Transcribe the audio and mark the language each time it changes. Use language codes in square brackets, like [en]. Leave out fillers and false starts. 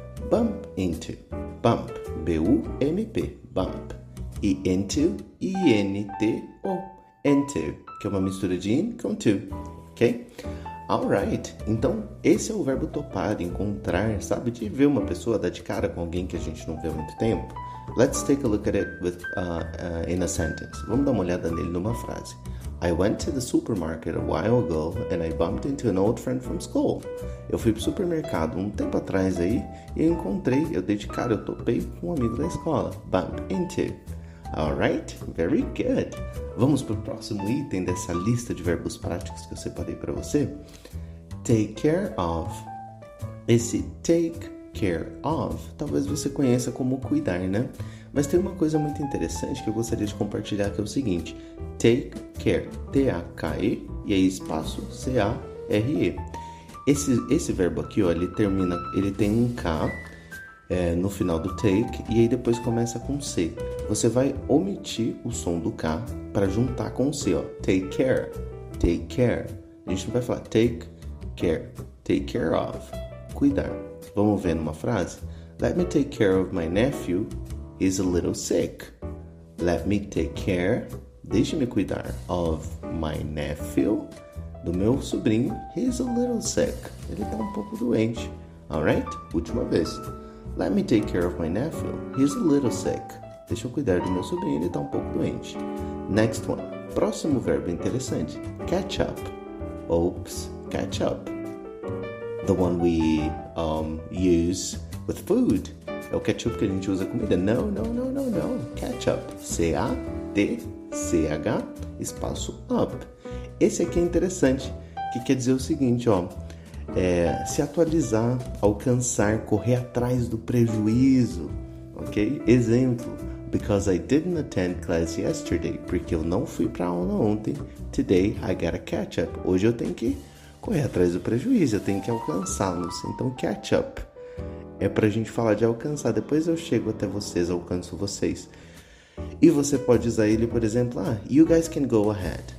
[en] Bump into. Bump. B-U-M-P. Bump. E into, I-N-T-O. Enter. [pt] Que é uma mistura de in com to. Ok? Alright. Então, esse é o verbo topar, encontrar, sabe? De ver uma pessoa, dar de cara com alguém que a gente não vê há muito tempo. [en] Let's take a look at it with, in a sentence. [pt] Vamos dar uma olhada nele numa frase. [en] I went to the supermarket a while ago and I bumped into an old friend from school. [pt] Eu fui pro supermercado um tempo atrás aí e encontrei, eu dei de cara, eu topei com um amigo da escola. Bump into. [en] Alright, very good. [pt] Vamos pro próximo item dessa lista de verbos práticos que eu separei para você. Take care of. Esse take care of, talvez você conheça como cuidar, né? Mas tem uma coisa muito interessante que eu gostaria de compartilhar, que é o seguinte: take care, T-A-K-E, e aí espaço, C-A-R-E. Esse verbo aqui, ó, ele termina, ele tem um K, no final do take, e aí depois começa com C. Você vai omitir o som do K para juntar com o C, ó. Take care, take care. A gente não vai falar take care of, cuidar. Vamos ver numa frase? [en] Let me take care of my nephew. He's a little sick. Let me take care. [pt] Deixe-me cuidar [en] of my nephew. [pt] Do meu sobrinho. [en] He's a little sick. [pt] Ele tá um pouco doente. Alright? Última vez. [en] Let me take care of my nephew. He's a little sick. [pt] Deixa eu cuidar do meu sobrinho. Ele tá um pouco doente. [en] Next one. [pt] Próximo verbo interessante. [en] Catch up. Oops. Catch up. The one we use with food. [pt] É o ketchup que a gente usa comida. Não, não, não, não, não. Ketchup. C-A-T-C-H, espaço up. Esse aqui é interessante, que quer dizer o seguinte, ó. Se atualizar, alcançar, correr atrás do prejuízo. Ok? Exemplo. [en] Because I didn't attend class yesterday. [pt] Porque eu não fui pra aula ontem. [en] Today I gotta catch up. [pt] Hoje eu tenho que correr atrás do prejuízo, eu tenho que alcançá-los. Então, catch up. É para a gente falar de alcançar. Depois eu chego até vocês, alcanço vocês. E você pode usar ele, por exemplo, ah, [en] you guys can go ahead.